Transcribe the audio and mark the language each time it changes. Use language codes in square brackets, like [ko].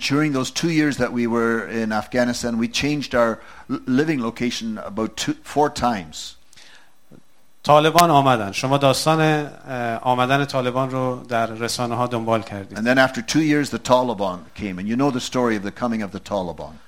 [en] And during those 2 years that we were in Afghanistan, we changed our living location about 4 times. [fa] طالبان آمدن. شما داستان آمدن طالبان رو در رسانه‌ها دنبال کردید. [en] And then after 2 years the Taliban came and you know the story of the coming of the Taliban.